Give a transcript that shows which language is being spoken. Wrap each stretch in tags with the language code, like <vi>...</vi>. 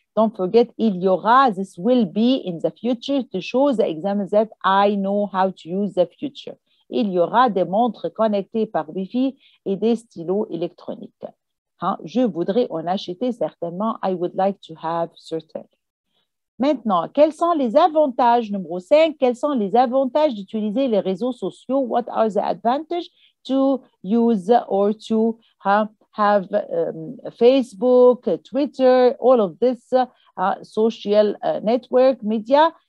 <en>Don't forget,</en> <fr>il y aura,</fr> <en>this will be in the future, to show the exam that I know how to use the future.</en> <fr>il y aura des montres connectées par Wi-Fi et des stylos électroniques. Hein? Je voudrais en acheter certainement.</fr> <en>I would like to have certain.</en> <fr>Maintenant, quels sont les avantages? Numéro 5, quels sont les avantages d'utiliser les réseaux sociaux?</fr> <en>What are the advantages to use or to have Facebook, Twitter, all of this social network, media?</en>